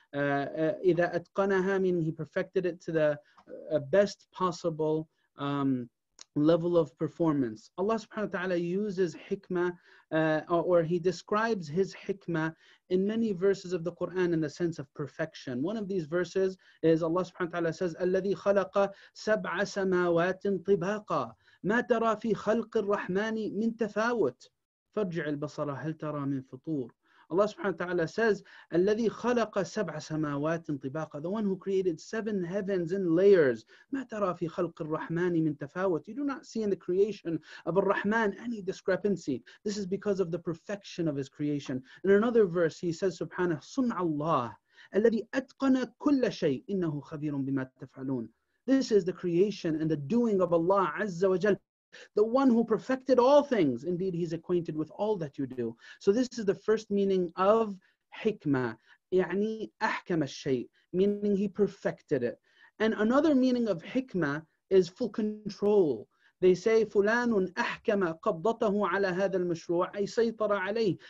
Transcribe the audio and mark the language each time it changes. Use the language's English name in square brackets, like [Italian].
[English] Idha atqanaha, meaning he perfected it to the best possible level of performance. Allah subhanahu wa ta'ala uses hikmah, or he describes his hikmah in many verses of the Quran in the sense of perfection. One of these verses is Allah subhanahu wa ta'ala says, [Arabic] الَّذِي خَلَقَ سَبْعَ سَمَاوَاتٍ طِبَاقًا مَا تَرَى فِي خَلْقِ الرَّحْمَنِ مِنْ تَفَاوُتٍ فَرْجِعِ الْبَصَرَ هَلْ تَرَى مِنْ فُطُورٍ. [English] Allah subhanahu wa ta'ala says, [Arabic] الَّذِي خَلَقَ سَبْعَ سَمَاوَاتٍ طِبَاقًا, [English] the one who created seven heavens in layers. [Arabic] مَا تَرَى فِي خَلْقِ الرَّحْمَانِ مِنْ تَفَاوَتٍ, [English] you do not see in the creation of Ar-Rahman any discrepancy. This is because of the perfection of his creation. In another verse, he says, subhanahu, [Arabic] صُنْعَ اللَّهِ الَّذِي أَتْقَنَ كُلَّ شَيْءٍ إِنَّهُ خَبِيرٌ بِمَا تَفْعَلُونَ. [English] This is the creation and the doing of Allah Azza wa Jal, the one who perfected all things. Indeed, he's acquainted with all that you do. So this is the first meaning of hikmah. [Arabic] يعني أحكم الشيء, [English] meaning he perfected it. And another meaning of hikmah is full control. They say, [Arabic] فلان أحكم قبضته على هذا المشروع أي سيطر عليه.